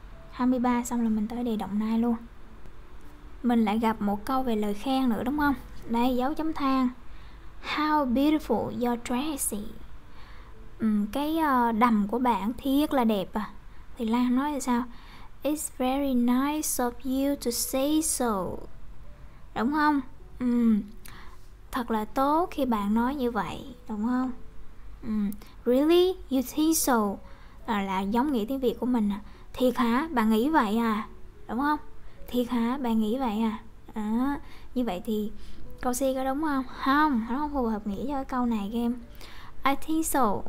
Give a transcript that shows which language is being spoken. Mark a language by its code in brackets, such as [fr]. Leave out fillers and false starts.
[vi] 23 xong là mình tới đề động nai luôn. Mình lại gặp một câu về lời khen nữa đúng không? Đây, dấu chấm than. [en] How beautiful your dress is. [vi] Cái đầm của bạn thiệt là đẹp à. Thì Lan nói là sao? [en] It's very nice of you to say so. [vi] Đúng không? Thật là tốt khi bạn nói như vậy. Đúng không? [en] Really? You think so? [vi] Là giống nghĩa tiếng Việt của mình à. Thiệt hả? Bạn nghĩ vậy à? Đúng không? Thiệt hả? Bạn nghĩ vậy à? Đó. Như vậy thì câu C có đúng không? Không, nó không phù hợp nghĩa cho câu này game. [en] I think so.